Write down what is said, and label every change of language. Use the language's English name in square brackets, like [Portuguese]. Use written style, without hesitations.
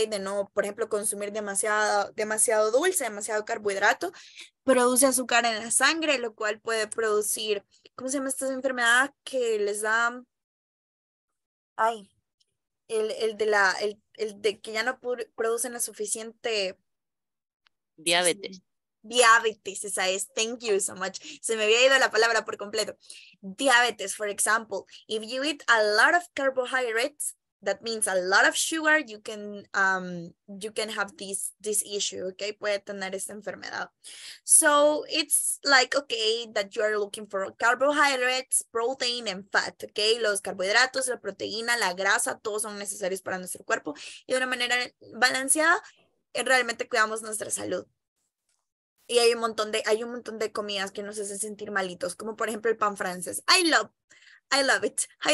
[Spanish] De no, por ejemplo, consumir demasiado dulce, demasiado carbohidrato, produce azúcar en la sangre, lo cual puede producir, ¿cómo se llama esta enfermedad que les da? Ay, el de que ya no producen la suficiente. Diabetes. Diabetes, esa es, [English] thank you so much. [Spanish] Se me había ido la palabra por completo. [English] Diabetes, for example, if you eat a lot of carbohydrates, that means a lot of sugar, you can have this issue, okay? [Spanish] Puede tener esta enfermedad. [English] So it's like, okay, that you are looking for carbohydrates, protein, and fat, okay? [Spanish] Los carbohidratos, la proteína, la grasa, todos son necesarios para nuestro cuerpo. Y de una manera balanceada, realmente cuidamos nuestra salud. Y hay un montón de comidas que nos hacen sentir malitos, como por ejemplo el pan francés. [English] I love it.